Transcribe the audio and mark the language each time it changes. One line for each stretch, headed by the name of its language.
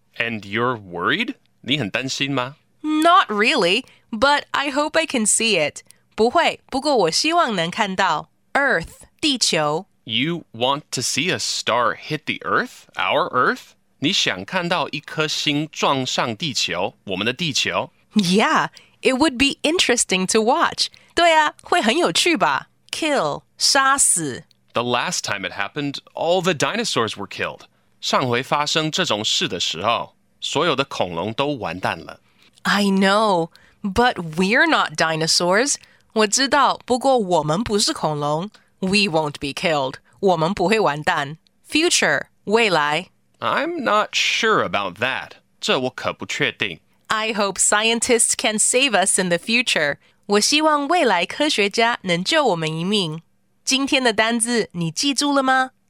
English: And you're worried?
Chinese: 你很担心吗?
English: Not really, but I hope I can see it.
Chinese: 不会,不过我希望能看到。 Earth, 地球。
English: You want to see a star hit the Earth? Our Earth?
Chinese: 你想看到一颗星撞上地球,我们的地球?
English: Yeah, it would be interesting to watch.
Chinese: 对啊,会很有趣吧。 Kill, 杀死。
English: The last time it happened, all the dinosaurs were killed.
Chinese: 上回发生这种事的时候,所有的恐龙都完蛋了。
English: I know, but we're not dinosaurs.
Chinese: 我知道,不过我们不是恐龙。
English: We won't be killed.
Chinese: 我们不会完蛋。 Future, 未来。
English: I'm not sure about that.
Chinese: 这我可不确定。
English: I hope scientists can save us in the future.
Chinese: 我希望未来科学家能救我们一命。今天的单字你记住了吗?